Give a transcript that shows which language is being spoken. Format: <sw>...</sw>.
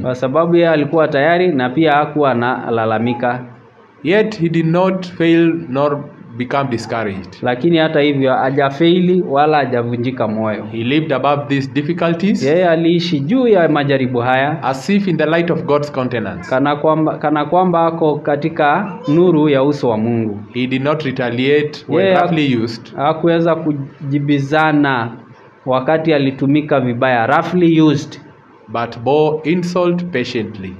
<sw>Kwa sababu yeye alikuwa tayari na pia hakuwa na lalamika.</sw> <en>Yet he did not fail nor become discouraged.</en> <sw>Lakini hata hivyo hajafeli wala hajavunjika moyo.</sw> <en>He lived above these difficulties.</en> <sw>Yeye aliishi juu ya majaribu haya.</sw> <en>As if in the light of God's countenance.</en> <sw>Kana kwamba ako katika nuru ya uso wa Mungu.</sw> <en>He did not retaliate when roughly used.</en> <sw>Hakuweza kujibizana wakati alitumika vibaya,</sw> <en>roughly used. But bore insult patiently.</en>